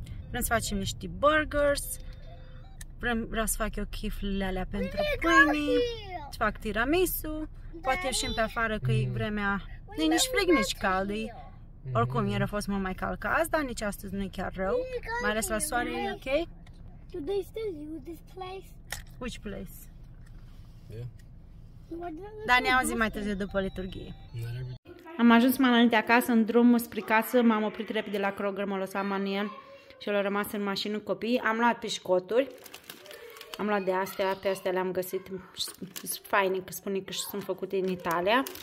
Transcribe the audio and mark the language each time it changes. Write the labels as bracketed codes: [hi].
[ro] Vrem să facem niște burgers, vreau să fac eu chiflele alea pentru pâine, să fac tiramisu, poate ieșim pe afară că e vremea, nu-i nici frig, nici cald. Oricum, ieri a fost mult mai cald ca azi, dar nici astăzi nu e chiar rău, mai ales la soare, e ok? [en] Do they still use this place? Which place? Yeah. [ro] Dar ne-am auzit mai târziu după liturghie. Am ajuns mai înainte acasă, în drum spre casă, m-am oprit repede la Kroger, m-a lăsat Maniel și el a rămas în mașină cu copii. Am luat pișcoturi, am luat de astea, pe astea le-am găsit, faine, că spune că sunt făcute în Italia.